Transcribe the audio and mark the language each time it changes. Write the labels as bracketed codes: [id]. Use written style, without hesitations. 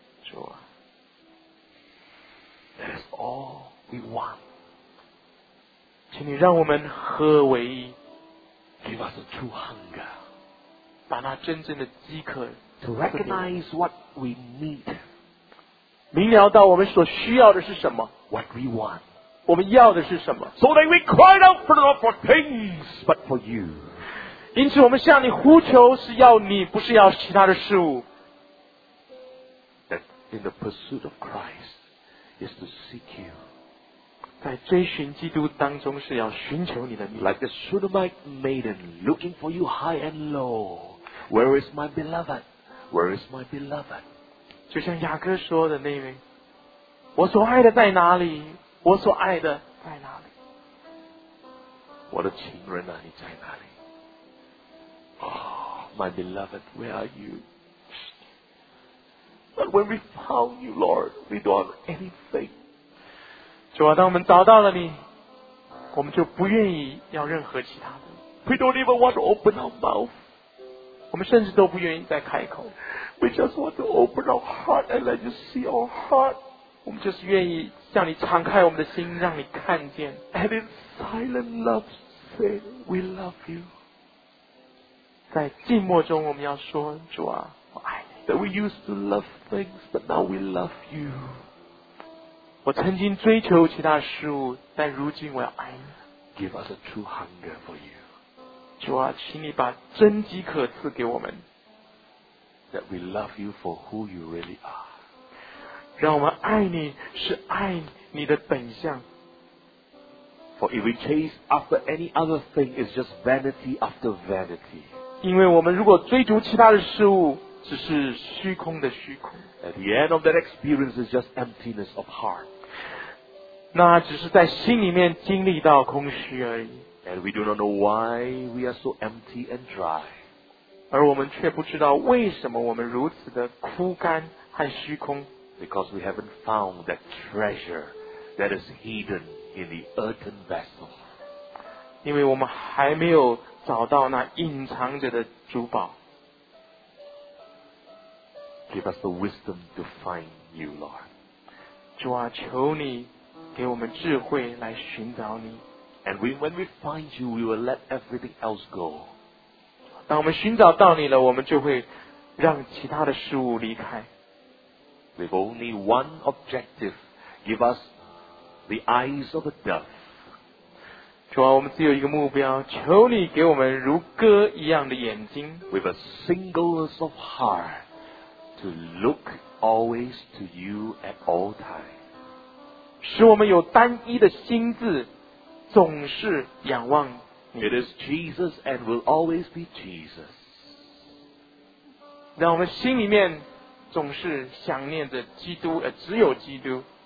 [en] Joy, that is all we want. [zh] 请你让我们合为一 [en] Give us a true hunger [zh] 把那真正的饥渴 [en] To recognize what we need [zh] 明了到我们所需要的是什么 [en] What we want [zh] 我们要的是什么 [en] So that we cry out for not for things but for you [zh] 因此我们向你呼求是要你不是要其他的事物 [en] That in the pursuit of Christ is to seek you [zh] 在追寻基督当中是要寻求你的命 [en] Like the Shunammite maiden looking for you high and low. Where is my beloved? Where is my beloved? [zh] 就像雅各说的那位我所爱的在哪里我所爱的在哪里我的情人啊你在哪里 [en] Oh, my beloved, where are you? But when we found you, Lord, we don't have anything. [zh] 主啊，当我们找到了你，我们就不愿意要任何其他的。 [en] We don't even want to open our mouth. [zh] 我们甚至都不愿意再开口。 [en] We just want to open our heart and let you see our heart. [zh] 我们就是愿意向你敞开我们的心，让你看见。 [en] And in silent love, say we love you. [zh] 在静默中，我们要说主啊，我爱你。 [en] That we used to love things, but now we love you. [zh] 我曾经追求其他事物，但如今我要爱你。 [en] Give us a true hunger for you. [zh] 主啊，请你把真饥渴赐给我们。 [en] That we love you for who you really are. [zh] 让我们爱你是爱你的本相。 [en] For if we chase after any other thing, it's just vanity after vanity. [zh] 因为我们如果追逐其他的事物，只是虚空的虚空。 [en] At the end of that experience is just emptiness of heart. [zh] 那只是在心里面经历到空虚而已。 [en] And we do not know why we are so empty and dry. [zh] 而我们却不知道为什么我们如此的枯干和虚空。 [en] Because we haven't found that treasure that is hidden in the earthen vessel. [zh] 因为我们还没有找到那隐藏着的珠宝。 [en] Give us the wisdom to find you, Lord. [zh] 主啊，求你给我们智慧来寻找你。 [en] And when we find you, we will let everything else go. [zh] 当我们寻找到你了，我们就会让其他的事物离开。 [en] With only one objective, give us the eyes of a dove. [zh] 主啊，我们只有一个目标，求你给我们如鸽一样的眼睛。 [en] With a singleness of heart. To look always to you at all times. [zh] 使我们有单一的心智，总是仰望你。 [en] It is Jesus and will always be Jesus. [zh] 让我们心里面总是想念着基督，而只有基督。